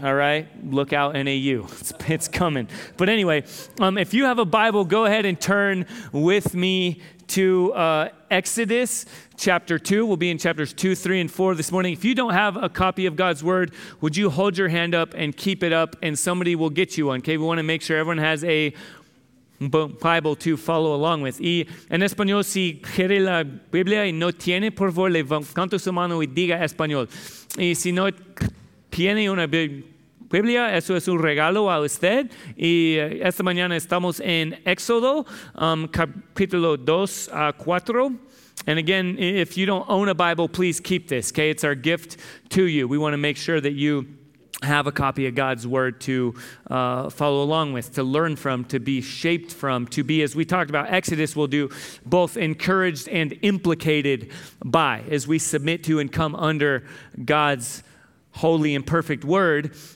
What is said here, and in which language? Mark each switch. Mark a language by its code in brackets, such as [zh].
[en] All right, look out, NAU. It's coming. But anyway, if you have a Bible, go ahead and turn with me to Exodus chapter 2. We'll be in chapters 2, 3, and 4 this morning. If you don't have a copy of God's word, would you hold your hand up and keep it up and somebody will get you one, okay? We want to make sure everyone has a Bible to follow along with. [es] Y en español, si quiere la Biblia y no tiene, por favor, levante su mano y diga español. Y si no tiene una Biblia, eso es un regalo a usted. Y esta mañana estamos en Éxodo, capítulo 2 a 4. [en] And again, if you don't own a Bible, please keep this, okay? It's our gift to you. We want to make sure that you have a copy of God's word to follow along with, to learn from, to be shaped from, to be, as we talked about Exodus, we'll do both encouraged and implicated by, as we submit to and come under God's holy and perfect word.